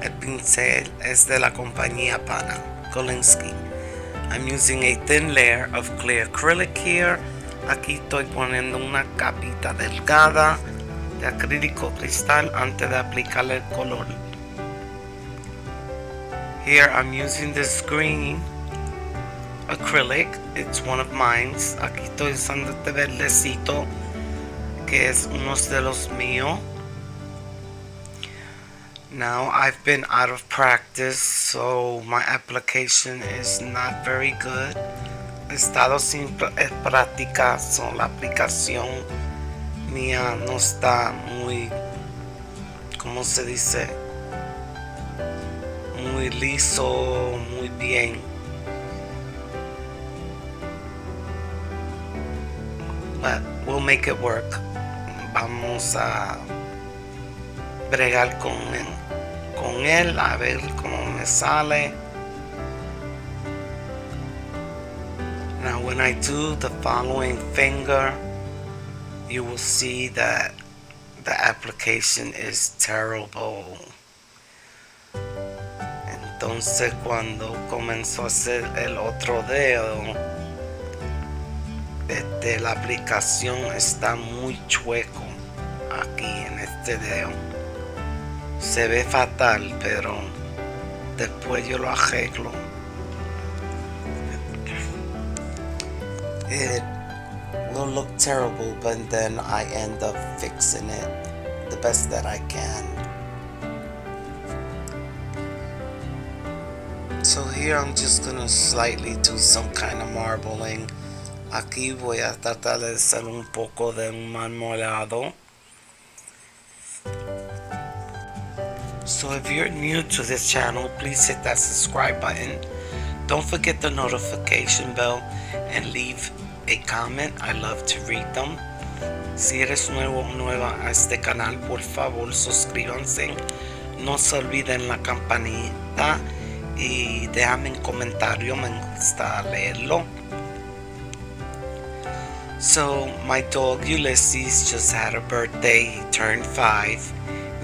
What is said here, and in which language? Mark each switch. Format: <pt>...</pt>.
<es>El pincel es de la compañía Pana Kalinsky.</es> <en>I'm using a thin layer of clear acrylic here.</en> <es>Aquí estoy poniendo una capita delgada de acrílico cristal antes de aplicarle el color.</es> <en>Here I'm using this green acrylic. It's one of mine.</en> <es>Aquí estoy usando este verdecito, que es uno de los míos.</es> <en>Now I've been out of practice, so my application is not very good.</en> <es>He estado sin práctica, so la aplicación mía no está muy, ¿cómo se dice? Muy liso, muy bien.</es> <en>But we'll make it work.</en> <es>Vamos a bregar con él, a ver cómo me sale.</es> <en>Now when I do the following finger, you will see that the application is terrible.</en> <es>Entonces cuando comenzó a hacer el otro dedo, la aplicación está muy chueco aquí en este dedo. Se ve fatal, pero después yo lo arreglo.</es> <en>It will look terrible, but then I end up fixing it the best that I can. So here I'm just gonna slightly do some kind of marbling.</en> <es>Aquí voy a tratar de hacer un poco de un marmolado.</es> <en>So if you're new to this channel, please hit that subscribe button. Don't forget the notification bell and leave a comment. I love to read them.</en> <es>Si eres nuevo o nueva a este canal, por favor suscríbanse. No se olviden la campanita y déjame un comentario, me gusta leerlo.</es> <en>So my dog Ulysses just had a birthday, he turned 5.</en>